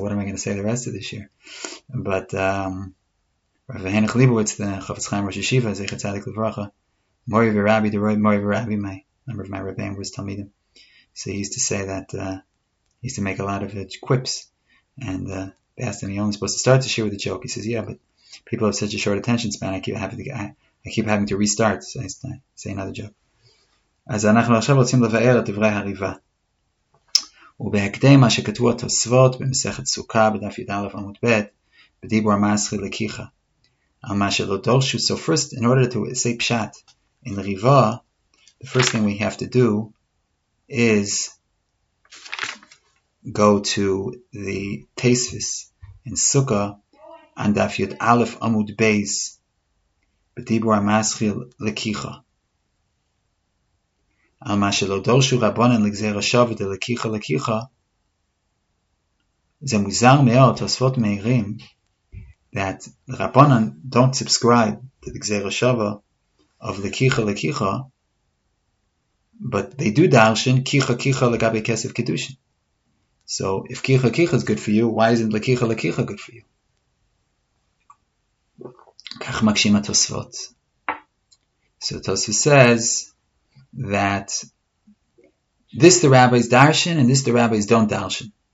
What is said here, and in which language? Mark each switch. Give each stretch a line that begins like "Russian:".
English: What am I going to say the rest of this year? But Rav Hanukh Leibowitz, the Chofetz Chaim Rosh Yeshiva,
Hebrew: Zecher Tzadik Livracha,
English: Mori V'Rabbi, the Mori V'Rabbi, my member of my Rebbeim was Talmidim. So he used to say that, he used to make a lot of quips. And they asked him, you're only supposed to start the shir with a joke. He says, yeah, but people have such a short attention span, I keep having to restart, so I say another joke.
Hebrew: אז אנחנו עכשיו רוצים לבאר את דברי הריבה. ובהקדם מה שכתבו התוספות במסכת סוכה, בדף י' א' עמוד ב', בדיבור המסחי לקיחה. על מה שלא דורשו.
English: So first, in order to say פשט, in ריבה, the first thing we have to do is go to the תספס in סוכה, on דף י' א' עמוד ב',
Hebrew: בדיבור המסחי לקיחה. על מה שלא דורשו רבונן לגזיר השבת ללקיחה לקיחה, זה מוזר מאוד, תוספות מהירים,
English: that רבונן don't subscribe to the גזיר השבת of לקיחה לקיחה, but they do
Hebrew: דרשן קיחה קיחה לגבי כסף קדושן.
English: So if קיחה קיחה is good for you, why isn't לקיחה לקיחה good for you?
Hebrew: כך מקשים התוספות.
English: So תוספות says, that this the rabbis darshin and this the rabbis don't darshin.